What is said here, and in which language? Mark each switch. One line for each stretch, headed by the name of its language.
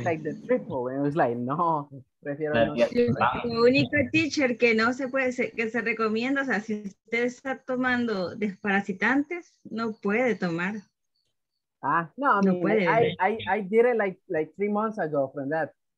English: like the triple, and it was like,
Spanish: no, prefiero no. Lo único, teacher, que no se puede ser, que se recomienda, o sea, si usted está tomando desparasitantes, no puede tomar. Ah, no, no,
English: I mean,
Spanish: puede.
English: I did it like 3 months ago from that.